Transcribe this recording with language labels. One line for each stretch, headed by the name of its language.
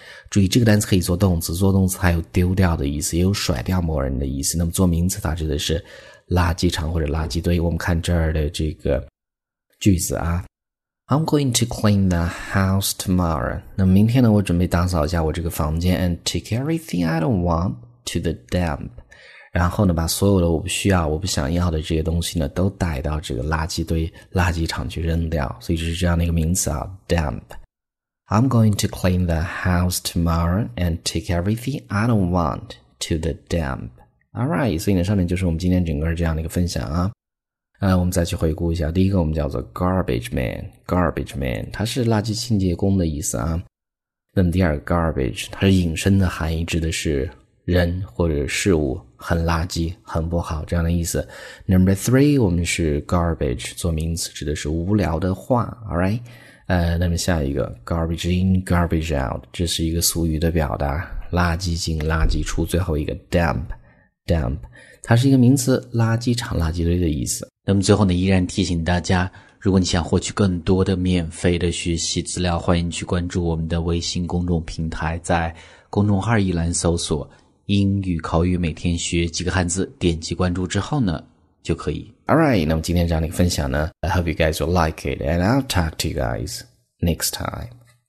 Chinese: 注意这个单词可以做动词，做动词它有丢掉的意思，也有甩掉某人的意思。那么做名词它指的是垃圾场或者垃圾堆。我们看这儿的这个句子啊，
English: I'm going to clean the house tomorrow.
Chinese: 那么明天呢我准备打扫一下我这个房间，
English: and take everything I don't want to the dump，
Chinese: 然后呢把所有的我不需要我不想要的这些东西呢都带到这个垃圾堆垃圾场去扔掉，所以就是这样的一个名词啊， dump。
English: I'm going to clean the house tomorrow and take everything I don't want to the dump.
Chinese: Alright, 所以呢上面就是我们今天整个这样的一个分享啊。我们再去回顾一下，第一个我们叫做 garbage man， 它是垃圾清洁工的意思啊。那么第二个 garbage 它是引申的含义，指的是人或者事物很垃圾很不好这样的意思。
English: Number three
Chinese: 我们是 garbage 做名词，指的是无聊的话。 Alright， 那么下一个 garbage in garbage out， 这是一个俗语的表达，垃圾进垃圾出。最后一个 dump dump 它是一个名词，垃圾场垃圾堆的意思。那么最后呢，依然提醒大家，如果你想获取更多的免费的学习资料，欢迎去关注我们的微信公众平台，在公众号一栏搜索英语口语每天学几个汉字，点击关注之后呢就可以。
English: Alright，
Chinese: 那么今天这样的一个分享呢，
English: I hope you guys will like it and I'll talk to you guys next time.